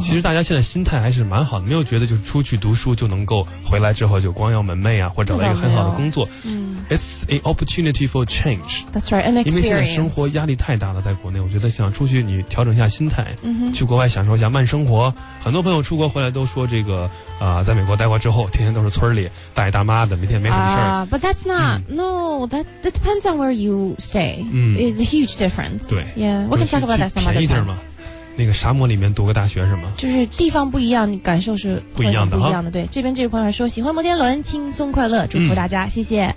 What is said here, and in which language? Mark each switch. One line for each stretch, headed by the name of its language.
Chinese: 其实大家现在心态还是蛮好的没有觉得就是出去读书就能够回来之后就光耀门楣啊或者找到一个很好的工作嗯
English: It's an opportunity for change That's right, an experience
Chinese: 因为现在生活压力太大了在国内我觉得想出去你调整一下心态、嗯、去国外享受一下慢生活很多朋友出国回来都说这个在美国待过之后天天都是村里大爷大妈的每天没什么事儿、
English: But that's not、No, that depends on where you stay、It's a huge difference
Chinese: 对
English: Yeah, we can talk about that somewhere
Chinese: 便宜点吗那个沙漠里面读个大学是吗就是地方不一样感受是不一样的不一样的对这边这位朋友说喜欢摩天轮轻松快乐祝福大家、谢谢